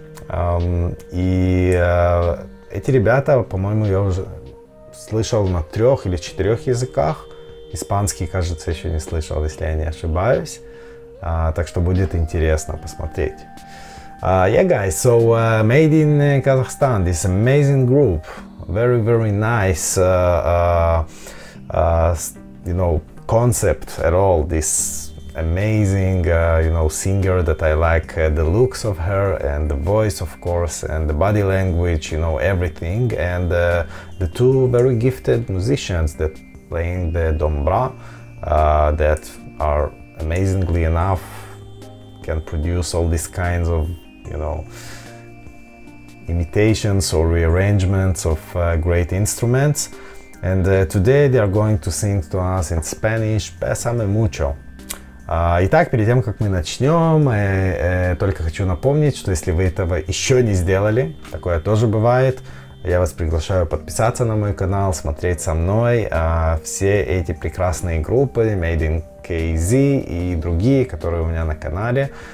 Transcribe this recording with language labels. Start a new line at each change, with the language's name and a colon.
Russian: Эти ребята, по-моему, я уже слышал на 3 или 4 языках. Испанский, кажется, еще не слышал, если я не ошибаюсь. Так что будет интересно посмотреть.
English: Yeah, guys, so Made in Kazakhstan, this amazing group. Very, very nice, you know, concept at all. This amazing, you know, singer that I like the looks of her and the voice, of course, and the body language, you know, everything. And the two very gifted musicians that playing the dombra, that are amazingly enough, can produce all these kinds of, you know, imitations or rearrangements of great instruments. And today they are going to sing to us in Spanish «Besame mucho».
Russian: Итак, перед тем, как мы начнем, только хочу напомнить, что если вы этого еще не сделали, такое тоже бывает, я вас приглашаю подписаться на мой канал, смотреть со мной все эти прекрасные группы Made in KZ и другие, которые у меня на канале.